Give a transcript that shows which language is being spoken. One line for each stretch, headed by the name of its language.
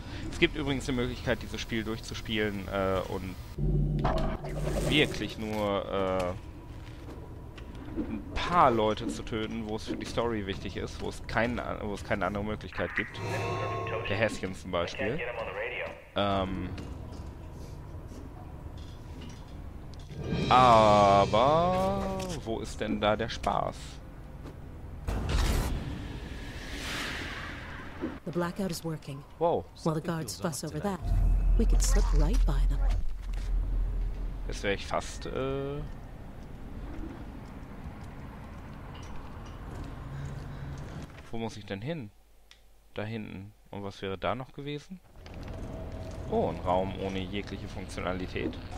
German: Es gibt übrigens die Möglichkeit, dieses Spiel durchzuspielen und wirklich nur ein paar Leute zu töten, wo es für die Story wichtig ist, wo es keine andere Möglichkeit gibt. Der Häschen zum Beispiel. Aber wo ist denn da der Spaß?
English: The blackout is working. Wow. While the guards fuss over that, we could slip right by them.
German: Das wäre ich fast, Wo muss ich denn hin? Da hinten. Und was wäre da noch gewesen? Oh, ein Raum ohne jegliche Funktionalität.